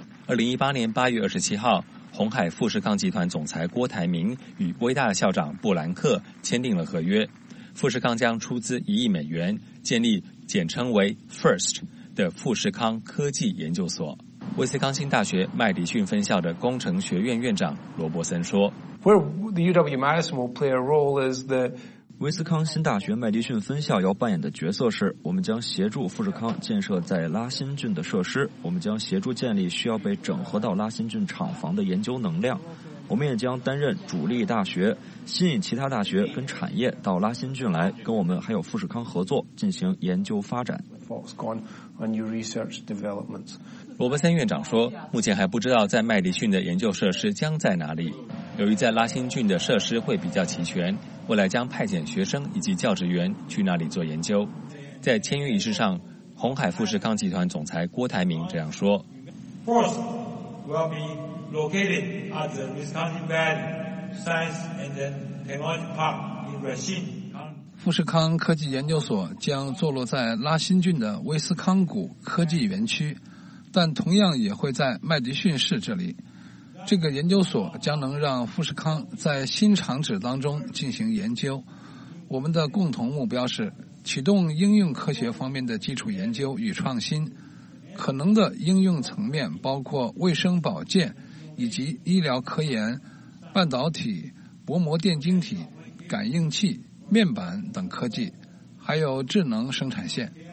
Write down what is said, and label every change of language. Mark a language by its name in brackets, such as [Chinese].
[Chinese] 2018年8月27号，鸿海富士康集团总裁郭台铭与威大校长布兰克签订了合约，富士康将出资1亿美元建立简称为 FIRST 的富士康科技研究所。威斯康星大学麦迪逊分校的工程学院院长罗伯森说， [English] Where the UW-Madison will play a role is the [Chinese] 威斯康星大学麦迪逊分校要扮演的角色是，我们将协助富士康建设在拉辛郡的设施，我们将协助建立需要被整合到拉辛郡厂房的研究能量，我们也将担任主力大学，吸引其他大学跟产业到拉辛郡来跟我们还有富士康合作进行研究发展。罗伯森院长说，目前还不知道在麦迪逊的研究设施将在哪里，由于在拉辛郡的设施会比较齐全，未来将派遣学生以及教职员去那里做研究。在签约仪式上，鸿海富士康集团总裁郭台铭这样说， [English] First will be located at the Wisconsin Valley Science and Technology Park in Racine。 [Chinese] 富士康科技研究所将坐落在拉辛郡的威斯康谷科技园区，但同样也会在麦迪逊市这里。这个研究所将能让富士康在新厂址当中进行研究。我们的共同目标是启动应用科学方面的基础研究与创新，可能的应用层面包括卫生保健以及医疗科研、半导体、薄膜电晶体、感应器、面板等科技，还有智能生产线。